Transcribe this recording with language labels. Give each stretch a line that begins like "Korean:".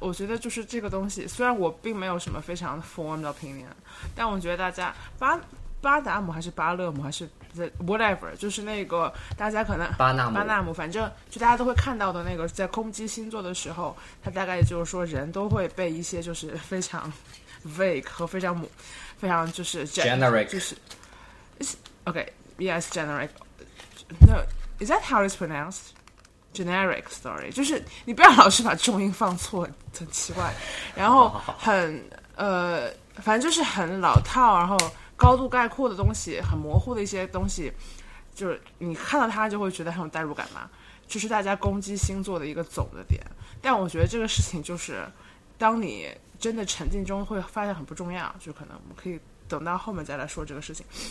Chinese: 我觉得就是这个东西虽然我并没有什么非常
English: formed opinion,
Chinese: 但我觉得大家巴达姆还是巴勒姆还是whatever, 就是那个大家可能巴纳姆反正就大家都会看到的那个，在攻击星座的时候他大概就是说人都会被一些就是非常 vague 和非常就是
English: generic,
Chinese: 就是
English: OK, yes, generic, no, is that how it's pronounced? Generic, sorry,
Chinese: 就是你不要老是把重音放错，很奇怪，然后很反正就是很老套，然后高度概括的东西，很模糊的一些东西，就是你看到它就会觉得很有代入感嘛，就是大家攻击星座的一个总的点，但我觉得这个事情就是当你真的沉浸中会发现很不重要，就可能我们可以等到后面再来说这个事情。